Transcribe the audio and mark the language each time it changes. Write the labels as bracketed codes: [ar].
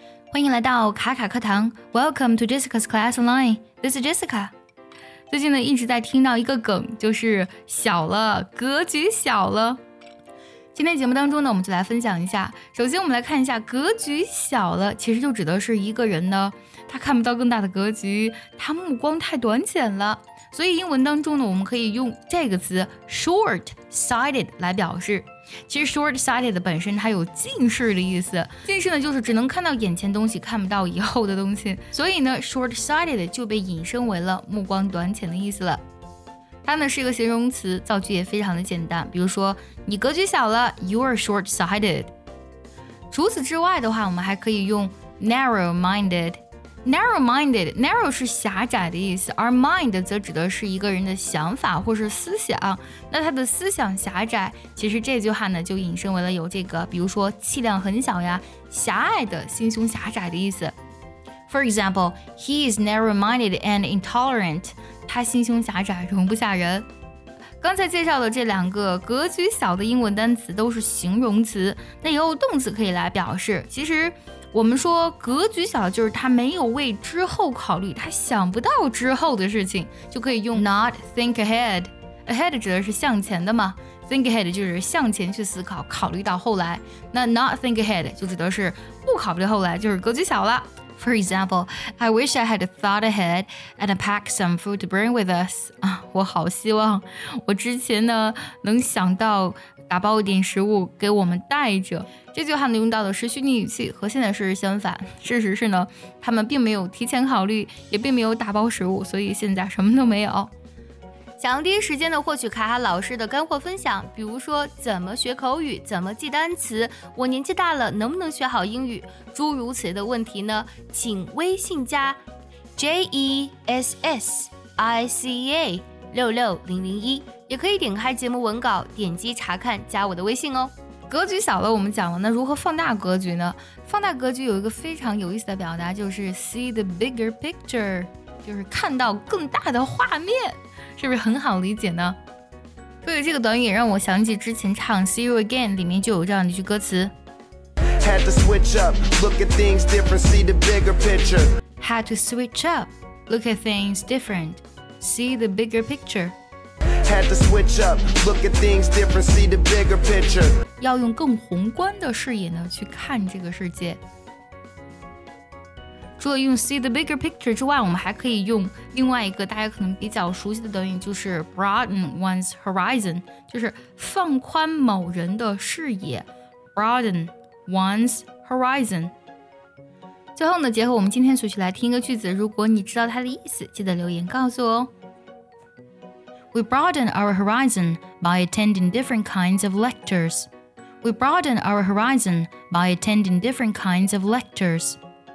[zh] 欢迎来到卡卡课堂 ， [en] Welcome to Jessica's Class Online. This is Jessica. [zh] 最近呢，一直在听到一个梗，就是小了，格局小了。今天节目当中呢，我们就来分享一下。首先，我们来看一下，格局小了，其实就指的是一个人呢，他看不到更大的格局，他目光太短浅了。所以英文当中呢，我们可以用这个词 short-sighted 来表示。其实 short-sighted 本身它有近视的意思，近视呢就是只能看到眼前东西，看不到以后的东西。所以呢 short-sighted 就被引申为了目光短浅的意思了。它呢是一个形容词，造句也非常的简单。比如说你格局小了 ， [en] you are short-sighted。 [zh] 除此之外的话，我们还可以用 narrow-minded。 Narrow-minded, narrow 是狭窄的意思，而 mind 则指的是一个人的想法或是思想。那他的思想狭窄，其实这句话呢就引申为了有这个，比如说气量很小呀，狭隘的，心胸狭窄的意思。 [en] For example, he is narrow-minded and intolerant. [zh] 他心胸狭窄，容不下人。刚才介绍的这两个格局小的英文单词都是形容词，那也有动词可以来表示。其实我们说格局小，就是他没有为之后考虑，他想不到之后的事情，就可以用 not think ahead。 Ahead 指的是向前的嘛， think ahead 就是向前去思考，考虑到后来。那 not think ahead 就指的是不考虑后来，就是格局小了。 [en] For example, I wish I had thought ahead and packed some food to bring with us. [zh] 我好希望我之前呢能想到打包一点食物给我们带着。这句话呢用到的是虚拟语气，和现在事实相反。事实是呢，他们并没有提前考虑，也并没有打包食物，所以现在什么都没有。想要第一时间的获取卡卡老师的干货分享，比如说怎么学口语，怎么记单词，我年纪大了能不能学好英语，诸如此类的问题呢，请微信加 JESSICA 66001，也可以点开节目文稿，点击查看，加我的微信哦。格局小了我们讲了，那如何放大格局呢？放大格局有一个非常有意思的表达，就是 see the bigger picture， 就是看到更大的画面，是不是很好理解呢？所以这个短语也让我想起之前唱 See You Again 里面就有这样的一句歌词， [en] Had to switch up, look at things different, see the bigger picture. Had to switch up, look at things different, see the bigger picture. Had to switch up, look at things different, see the bigger picture. [zh] 要用更宏观的视野呢去看这个世界。除了用 see the bigger picture 之外，我们还可以用另外一个大家可能比较熟悉的短语，就是 broaden one's horizon， 就是放宽某人的视野， broaden one's horizon。最后呢，结合我们今天所学来听一个句子，如果你知道它的意思，记得留言告诉我哦。 [en] We broaden our horizon by attending different kinds of lectures. We broaden our horizon by attending different kinds of lectures.